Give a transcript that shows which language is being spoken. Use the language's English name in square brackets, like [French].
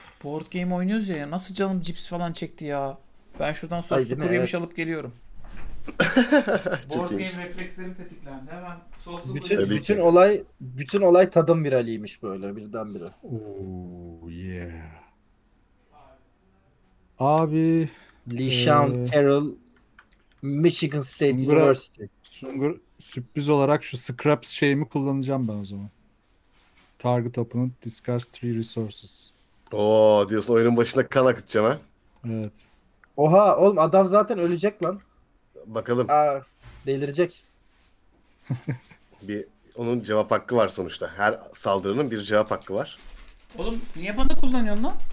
[Turkish] Board game oynuyoruz ya. Nasıl canım cips falan çekti ya. Ben şuradan soslu kuru yemiş alıp geliyorum. Board game reflekslerim tetiklendi. Hemen soslu bütün olay tadım viraliymiş böyle birdenbire. Ooh yeah. Abi. [English] LeSean Carroll, Michigan State University. [Turkish] Sungur, sürpriz olarak şu scraps şeyimi kullanacağım ben o zaman. [English] Target opponent, discard 3 resources. [Turkish] Oo diyorsun, oyunun başına kan akıtacağım ha. Evet. Oha oğlum, adam zaten ölecek lan. Bakalım. Aa, delirecek. Bir onun cevap hakkı var sonuçta. Her saldırının bir cevap hakkı var. Oğlum niye bana kullanıyorsun lan?